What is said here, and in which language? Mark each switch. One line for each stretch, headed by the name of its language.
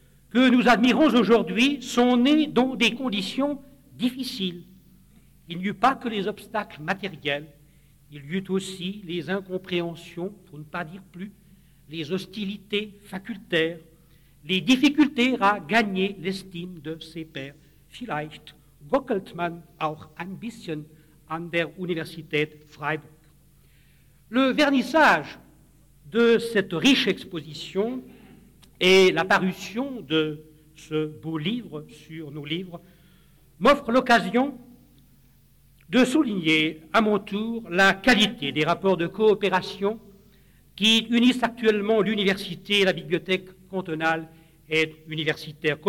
French: que nous admirons aujourd'hui sont nés dans des conditions difficiles. Il n'y eut pas que les obstacles matériels, il y eut aussi les incompréhensions, pour ne pas dire plus, les hostilités facultaires, les difficultés à gagner l'estime de ses pairs.
German: Vielleicht gockelt man auch ein bisschen an der Universität Freiburg.
French: Le vernissage de cette riche exposition et la parution de ce beau livre sur nos livres m'offre l'occasion de souligner à mon tour la qualité des rapports de coopération qui unissent actuellement l'université et la bibliothèque cantonale et universitaire.